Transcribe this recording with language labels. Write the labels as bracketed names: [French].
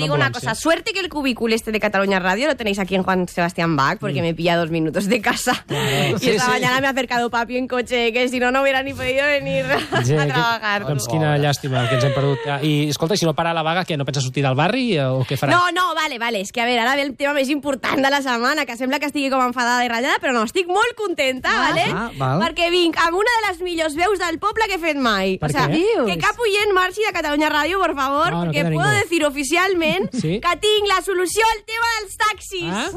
[Spanish] Te digo una cosa, suerte que el cubículo este de Catalunya Ràdio lo tenéis aquí en Juan Sebastián Bach, porque me pilla 2 minutos de casa. Y esta mañana me ha acercado papi en coche, que si no, no hubiera ni podido venir a trabajar. [Catalan] Doncs quina llàstima, que ens hem perdut. I escolta, si no para la vaga, què, no penses sortir del barri o què farà? No, vale. És que a veure, ara ve el tema més important de la setmana, que sembla que estigui com enfadada i ratllada, però no, estic molt contenta, vale? Perquè vinc amb una de les millors veus del poble que he fet mai. [Spanish] Y en marcha de Cataluña Radio, por favor, no, no, porque puedo decir oficialmente que tengo la solución al tema de los taxis.